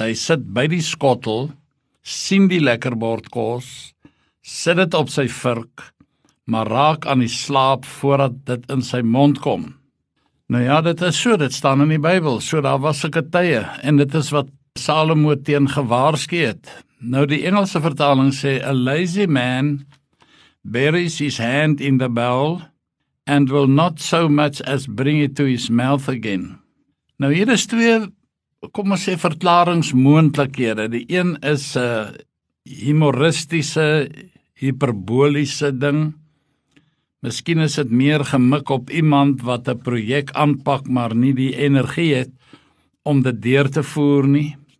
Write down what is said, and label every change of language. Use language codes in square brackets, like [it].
[af] Hy sit by die skottel, sien die lekker bord kos, sit dit op sy vurk, maar raak aan die slaap voordat dit in sy mond kom. Nou ja, dit is so, dit staan in die Bybel, so daar was sulke tye, en dit is wat Salomo teen gewaarsku het. Nou die Engelse vertaling sê, [en] a lazy man buries his hand in the bowl, and will not so much as bring it to his mouth again. [af] Nou hier is twee, kom ons sê, verklaringsmoontlikhede. Die een is 'n humoristiese, hiperboliese ding. Miskien is dit meer gemik op iemand wat 'n projek aanpak, maar nie die energie het om dit deur te voer nie.